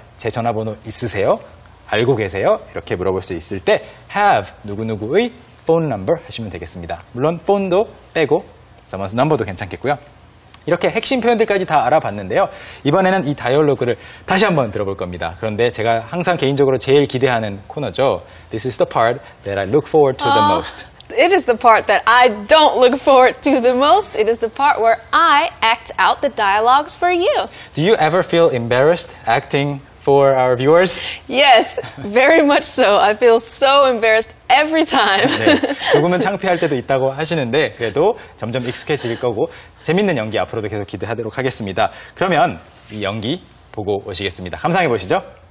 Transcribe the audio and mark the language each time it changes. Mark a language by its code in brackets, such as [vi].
[ko] 제 전화번호 있으세요? 알고 계세요? 이렇게 물어볼 수 있을 때 Have 누구누구의 [en] phone number [ko] 하시면 되겠습니다. 물론 phone도 빼고 [en] someone's number [ko] 도 괜찮겠고요. 이렇게 핵심 표현들까지 다 알아봤는데요. 이번에는 이 다이얼로그를 다시 한번 들어볼 겁니다. 그런데 제가 항상 개인적으로 제일 기대하는 코너죠. [en] This is the part that I look forward to the most. It is the part that I don't look forward to the most. It is the part where I act out the dialogues for you. Do you ever feel embarrassed acting for our viewers? Yes, very much so. I feel so embarrassed every time. [ko] 네, 조금은 창피할 때도 있다고 하시는데 그래도 점점 익숙해질 거고 재밌는 연기 앞으로도 계속 기대하도록 하겠습니다. 그러면 이 연기 보고 오시겠습니다. 감상해 보시죠.